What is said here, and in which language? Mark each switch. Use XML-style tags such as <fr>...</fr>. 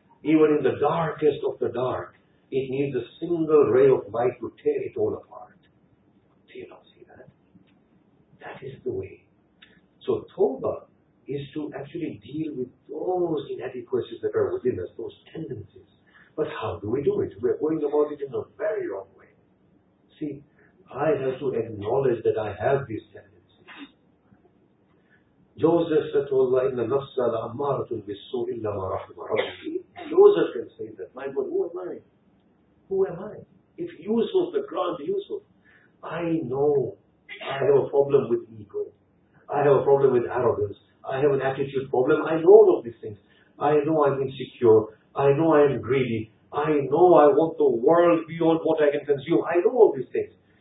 <en>Even in the darkest of the dark, it needs a single ray of light to tear it all apart. Do you not see that? That is the way. So Tawbah is to actually deal with those inadequacies that are within us, those tendencies. But how do we do it? We're going about it in a very wrong way. See, I have to acknowledge that I have these tendencies. Joseph said to Allah,</en> <ar>إِنَّ نَفْسَ لَأَمَّارَةٌ بِالسُّوءِ إِلَّا مَا رَحْمَ رَبِّي.</ar> <en>Joseph can say that, my God, who am I? Who am I? If Yusuf, the grand Yusuf, I know I have a problem with ego. I have a problem with arrogance. I have an attitude problem. I know all of these things. I know I'm insecure. I know I'm greedy. I know I want the world beyond what I can consume. I know all these things.</en>